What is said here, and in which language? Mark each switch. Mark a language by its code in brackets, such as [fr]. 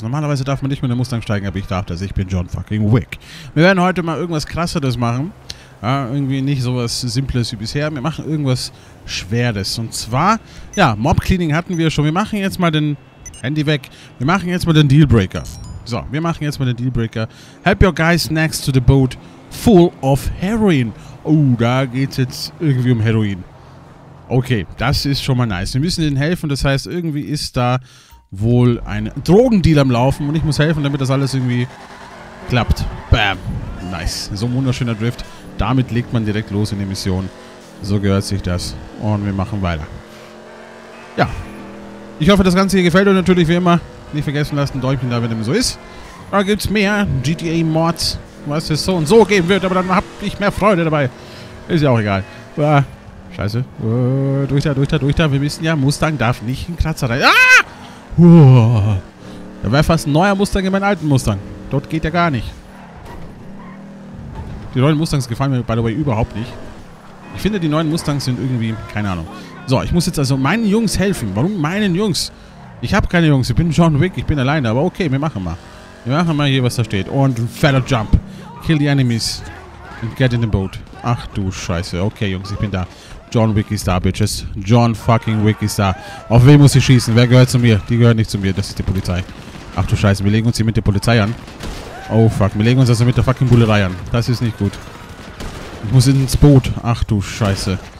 [de] Normalerweise darf man nicht mit dem Mustang steigen, aber ich darf das. Ich bin John fucking Wick. Wir werden heute mal irgendwas Krasseres machen. Ja, irgendwie nicht sowas Simples wie bisher. Wir machen irgendwas Schweres. Und zwar, ja, Mob Cleaning hatten wir schon. Wir machen jetzt mal den Handy weg. Wir machen jetzt mal den Dealbreaker. So, wir machen jetzt mal den Dealbreaker. [en] Help your guys next to the boat full of heroin. [de] Oh, da geht's jetzt irgendwie um Heroin. Okay, das ist schon mal nice. Wir müssen denen helfen. Das heißt, irgendwie ist da wohl ein Drogendeal am Laufen. Und ich muss helfen, damit das alles irgendwie klappt. Bam. Nice. So ein wunderschöner Drift. Damit legt man direkt los in die Mission. So gehört sich das. Und wir machen weiter. Ja. Ich hoffe, das Ganze hier gefällt euch natürlich wie immer. Nicht vergessen lassen, ein Däumchen da, wenn dem so ist. Da gibt's mehr GTA-Mods, was es so und so geben wird, aber dann hab ich mehr Freude dabei. Ist ja auch egal. Scheiße. Durch da. Wir wissen ja, Mustang darf nicht in Kratzer rein. Ah! Da wäre fast ein neuer Mustang in meinen alten Mustang. Dort geht ja gar nicht. Die neuen Mustangs gefallen mir, [en] by the way, [de] überhaupt nicht. Ich finde, die neuen Mustangs sind irgendwie, keine Ahnung. So, ich muss jetzt also meinen Jungs helfen. Warum meinen Jungs? Ich habe keine Jungs, ich bin John Wick, ich bin alleine, aber okay, wir machen mal. Wir machen mal hier, was da steht. Und fetter Jump. [en] Kill the enemies and get in the boat. [de] Ach du Scheiße. Okay, Jungs, ich bin da. John Wick ist da, Bitches. John fucking Wick ist da. Auf wen muss ich schießen? Wer gehört zu mir? Die gehört nicht zu mir, das ist die Polizei. Ach du Scheiße, wir legen uns hier mit der Polizei an. Oh fuck, wir legen uns also mit der fucking Bullerei an. Das ist nicht gut. Ich muss ins Boot. Ach du Scheiße.